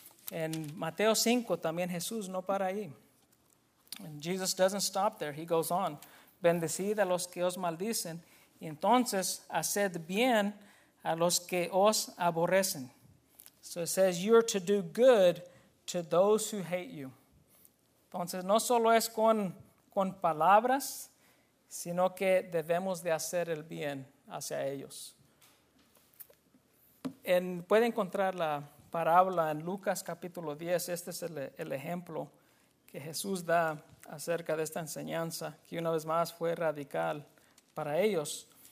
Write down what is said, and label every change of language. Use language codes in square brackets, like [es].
[es] En Mateo 5 también Jesús no para ahí. [en] And Jesus doesn't stop there, he goes on. [es] Bendecid a los que os maldicen. entonces haced bien a los que os aborrecen. [en] So it says you're to do good to those who hate you. [es] Entonces no solo es con palabras, sino que debemos de hacer el bien hacia ellos. Puede encontrar la parábola en Lucas capítulo 10. Este es el ejemplo que Jesús da acerca de esta enseñanza, que una vez más fue radical para ellos.